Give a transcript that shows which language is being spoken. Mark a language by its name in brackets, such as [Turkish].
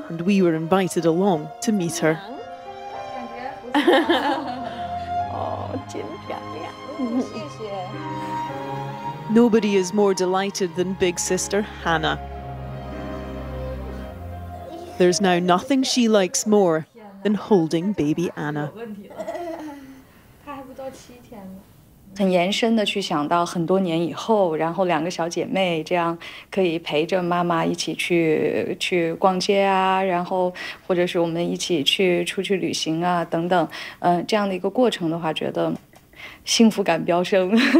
[English] And we were invited along to meet her. [Chinese] 感觉不错。哦，真漂亮。谢谢。 [English] Nobody is more delighted than big sister Hannah. There's now nothing she likes more than holding baby Anna. [Chinese] 很延伸的去想到很多年以后，然后两个小姐妹这样可以陪着妈妈一起去逛街啊，然后或者是我们一起去出去旅行啊等等，这样的一个过程的话，觉得幸福感飙升。